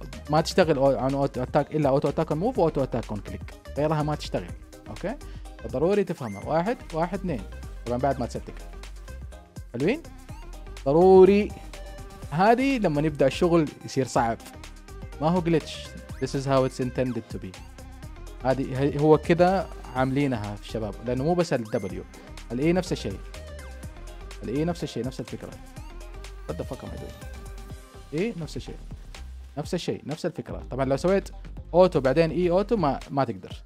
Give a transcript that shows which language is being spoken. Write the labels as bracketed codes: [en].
[ar] ما تشتغل عن اوتو اتاك الا اوتو اتاك اون موف واوتو اتاك اون كليك, غيرها ما تشتغل. اوكي فضروري تفهمها. واحد واحد اثنين طبعا بعد ما تستك. حلوين ضروري. هذه لما نبدا الشغل يصير صعب. ما هو جليتش, [en] this is how it's intended to be. [ar] هذه هو كذا عاملينها في الشباب. لانه مو بس الدبليو الاي نفس الشيء, الاي نفس الشيء نفس الفكره. [en] what the fuck am I doing. [ar] اي نفس الشيء نفس الشيء نفس الفكره. طبعا لو سويت اوتو بعدين اي اوتو ما تقدر.